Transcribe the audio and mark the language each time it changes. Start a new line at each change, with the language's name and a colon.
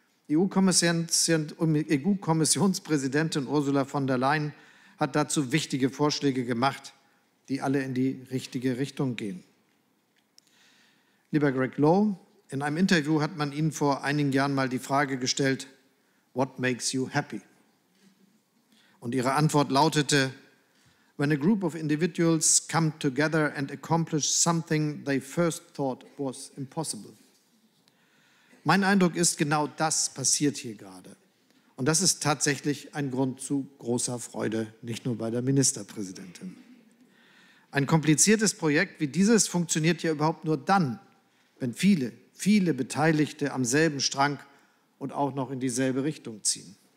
German: EU-Kommissionspräsidentin Ursula von der Leyen hat dazu wichtige Vorschläge gemacht, die alle in die richtige Richtung gehen. Lieber Greg Lowe, in einem Interview hat man Ihnen vor einigen Jahren mal die Frage gestellt,
English: what makes you happy?
German: Und Ihre Antwort lautete,
English: when a group of individuals come together and accomplish something they first thought was impossible.
German: Mein Eindruck ist, genau das passiert hier gerade. Und das ist tatsächlich ein Grund zu großer Freude, nicht nur bei der Ministerpräsidentin. Ein kompliziertes Projekt wie dieses funktioniert ja überhaupt nur dann, wenn viele, viele Beteiligte am selben Strang und auch noch in dieselbe Richtung ziehen.